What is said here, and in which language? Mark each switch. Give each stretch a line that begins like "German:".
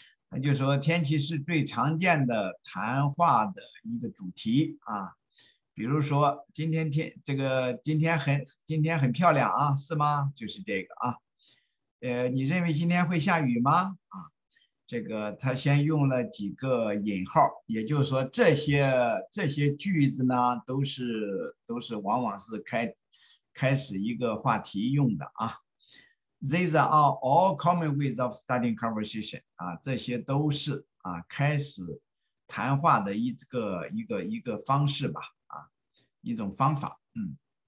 Chinese: 他就说天气是最常见的谈话的一个主题啊，比如说今天很漂亮啊，是吗？就是这个啊。你认为今天会下雨吗？啊，这个他先用了几个引号，也就是说这些句子呢，都是往往是开始一个话题用的啊。
English: These are all common ways of starting conversation.
Chinese: 啊，这些都是啊开始谈话的一个方式吧，啊，一种方法，嗯。